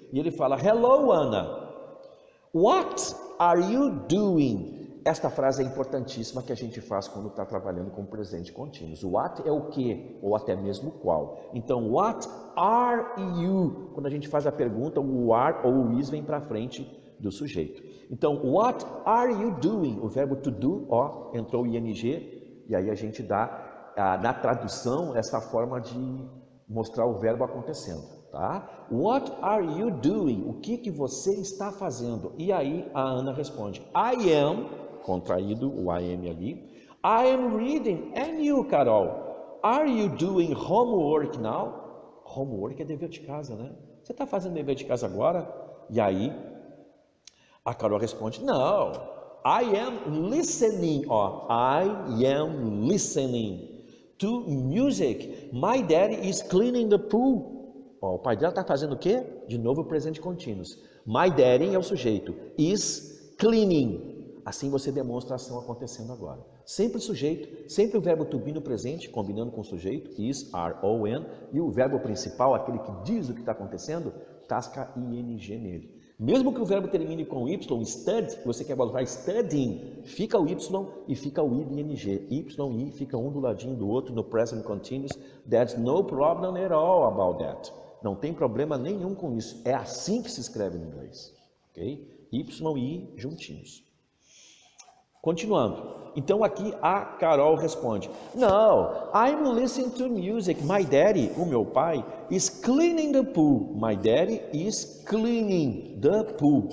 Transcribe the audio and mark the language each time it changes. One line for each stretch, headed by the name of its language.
Portuguese: E ele fala,
English: hello, Anna. What are you doing?
Portuguese: Esta frase é importantíssima que a gente faz quando está trabalhando com presente contínuo. What é o quê? Ou até mesmo qual. Então,
English: what are you?
Portuguese: Quando a gente faz a pergunta, o are ou o is vem para frente do sujeito.
English: Então, what are you doing?
Portuguese: O verbo to do, ó, entrou o ing, e aí a gente dá, na tradução, essa forma de mostrar o verbo acontecendo, tá?
English: What are you doing?
Portuguese: O que, que você está fazendo? E aí a Ana responde,
English: I am,
Portuguese: contraído, o am ali,
English: I am reading, and you, Carol, are you doing homework now?
Portuguese: Homework é dever de casa, né? Você está fazendo dever de casa agora? E aí a Carol responde,
English: no, I am listening, ó, I am listening to music. My daddy is cleaning the pool.
Portuguese: Ó, o pai dela está fazendo o quê? De novo, presente contínuo.
English: My daddy
Portuguese: é o sujeito.
English: Is cleaning.
Portuguese: Assim você demonstra a ação acontecendo agora. Sempre sujeito, sempre o verbo to be no presente, combinando com o sujeito, is, are, ou am. E o verbo principal, aquele que diz o que está acontecendo, tasca ing nele. Mesmo que o verbo termine com Y, study, você quer colocar studying, fica o Y e fica o ing. Y e I fica um do ladinho do outro no present continuous.
English: There's no problem at all about that.
Portuguese: Não tem problema nenhum com isso. É assim que se escreve no inglês. Ok? Y e I juntinhos. Continuando. Então aqui a Carol responde.
English: No, I'm listening to music. My daddy,
Portuguese: o meu pai,
English: is cleaning the pool. My daddy is cleaning the pool.